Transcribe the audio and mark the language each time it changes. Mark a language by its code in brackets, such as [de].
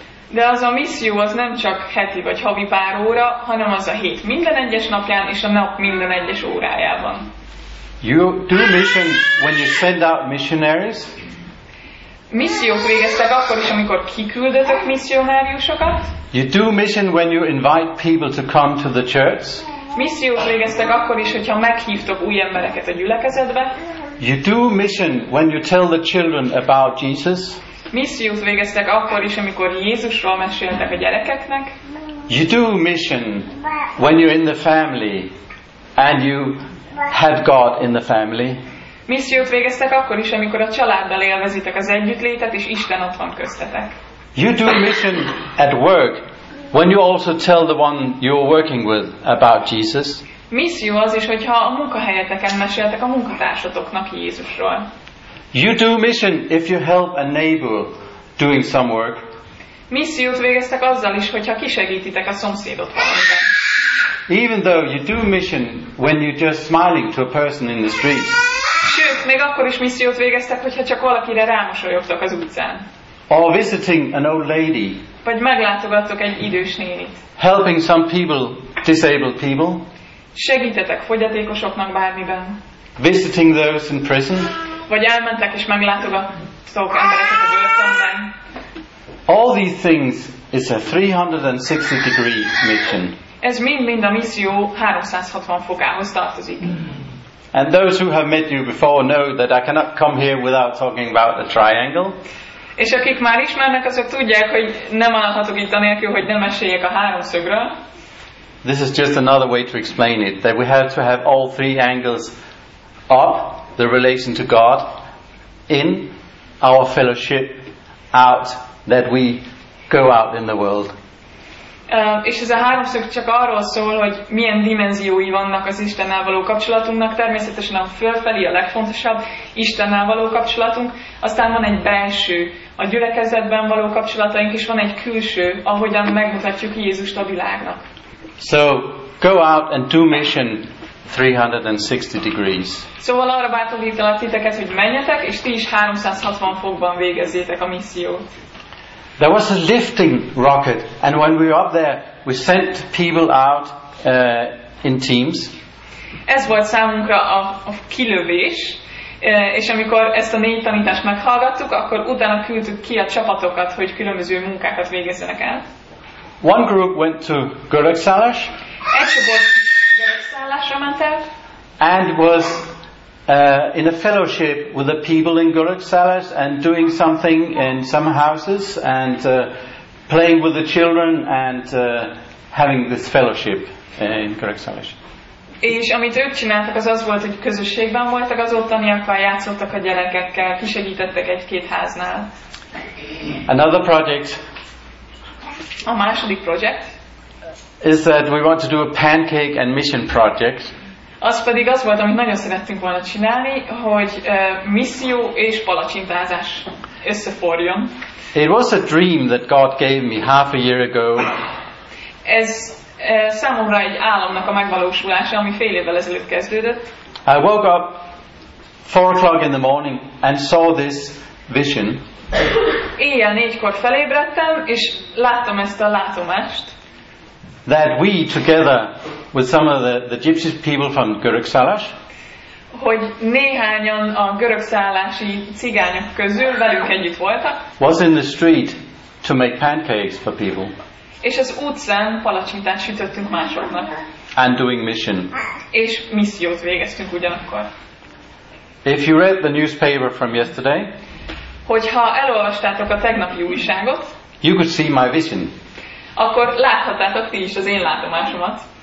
[hu] De az a misszió az nem csak heti vagy havi pár óra, hanem az a hét minden egyes napján és a nap minden egyes órájában. [en] You do mission when you send out missionaries? [hu] Missziót végeztek akkor is, amikor kiküldetek misszionáriusokat? [en] You do mission when you invite people to come to the church? [hu] Missziót végeztek akkor is, hogyha meghívtok új embereket a gyülekezetbe. [en] You do mission when you tell the children about Jesus. [hu] Missziót végeztek akkor is, amikor Jézusról meséltek a gyerekeknek. [en] You do mission when you're in the family and you have God in the family. [hu] Missziót végeztek akkor is, amikor a családdal élvezitek az együttlétet és Isten ott van köztetek. [en] You do mission at work. When you also tell the one you're working with about Jesus. [hu] Misszió az is, hogyha a munkahelyeteken meséltek a munkatársatoknak Jézusról. [en] You do mission if you help a neighbor doing some work. [hu] Missziót végeztek azzal is, hogyha kisegítitek a szomszédot valamiben. [en] Even though you do mission when you're just smiling to a person in the street. [hu] Sőt, még akkor is missziót végeztek, hogyha csak valakire rámosolyogtak az utcán. [en] Or visiting an old lady. [hu] Vagy meglátogattok egy idős nénit. [en] Helping some people, disabled people. [hu] Segítetek fogyatékosoknak bármiben. [en] Visiting those in prison. [hu] Vagy elmentek és meglátogattok embereket a börtönben. [en] All these things is a 360 degree mission. [hu] Ez mind a misszió 360 fokához tartozik. [en] And those who have met you before know that I cannot come here without talking about a triangle. [hu] És akik már ismernek, azok tudják, hogy nem állhatok itt anélkül, hogy nem meséljek a háromszögről. [en] This is just another way to explain it, that we have to have all three angles up, the relation to God, in our fellowship, out, that we go out in the world. [hu] És ez a háromszög csak arról szól, hogy milyen dimenziói vannak az Istennel való kapcsolatunknak. Természetesen a fölfelé a legfontosabb Istennel való kapcsolatunk. Aztán van egy belső, a gyülekezetben való kapcsolataink, és van egy külső, ahogyan megmutatjuk Jézust a világnak. [en] So, go out and do mission 360 degrees. [hu] Szóval arra bátorítalak titeket, hogy menjetek, és ti is 360 fokban végezzétek a missziót. [en] There was a lifting rocket, and when we were up there, we sent people out in teams. [hu] Ez volt számunkra a kilövés, és amikor ezt a 4 tanítást meghallgattuk, akkor utána küldtük ki a csapatokat, hogy különböző munkákat végezzenek el. [en] One group went to Görögszállás. [hu] Egy csoport Görögszállásra ment el. [en] And was in a fellowship with the people in Görögszállás and doing something in some houses and playing with the children and having this fellowship in Görögszállás. [hu] És amit ők csináltak, az az volt, hogy közösségben voltak az ottaniakkal, játszottak a gyerekekkel, kisegítettek egy-két háznál. [en] Another project. [hu] A második project. [en] Is that we want to do a pancake and mission project. [hu] Az pedig az volt, amit nagyon szerettünk volna csinálni, hogy misszió és palacsintázás összeforjon. [en] It was a dream that God gave me half a year ago. [hu] Ez számomra egy álomnak a megvalósulása, ami fél évvel ezelőtt kezdődött. [en] I woke up 4 o'clock in the morning and saw this vision. [hu] Éjjel 4-kor felébredtem, és láttam ezt a látomást. [en] That we together with some of the gypsy people from Görögszállás. [hu] Hogy néhányan a görögszállási cigányok közül velünk együtt voltak. [en] Was in the street to make pancakes for people. [hu] És az utcán palacsintát sütöttünk másoknak. [en] And doing mission. [hu] És missziót végeztünk ugyanakkor. [en] If you read the newspaper from yesterday, [hu] hogyha elolvastátok a tegnapi újságot, [en] you could see my vision. [hu] Akkor láthatátok ti is az én látomásomat.